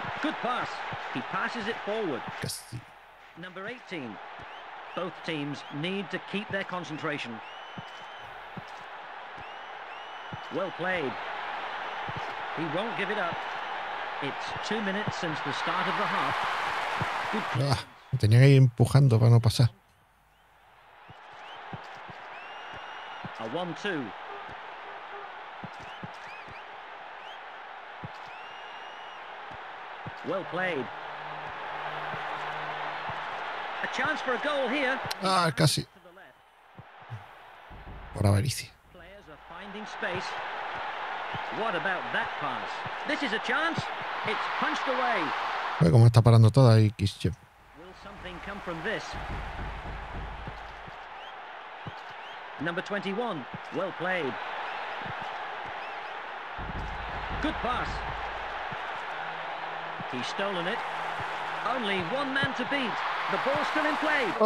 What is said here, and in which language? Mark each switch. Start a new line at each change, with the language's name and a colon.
English: Good pass. He passes it forward.
Spanish: Casi.
English: Number 18. Both teams need to keep their concentration. Well played. He won't give it up. It's 2 minutes since the start of the half. Good play.
Spanish: Ah, me tenía que ir empujando para no pasar.
English: A 1-2. Well played. A chance for a goal here.
Spanish: Ah, casi. Por avaricia.
English: Players are finding space. What about that pass? This is a chance. It's punched away.
Spanish: Ve cómo está parando toda ahí, Kischev.
English: Will something come from this? Number 21. Well played. Good pass. He's stolen it. Only one man to beat. The ball still in play.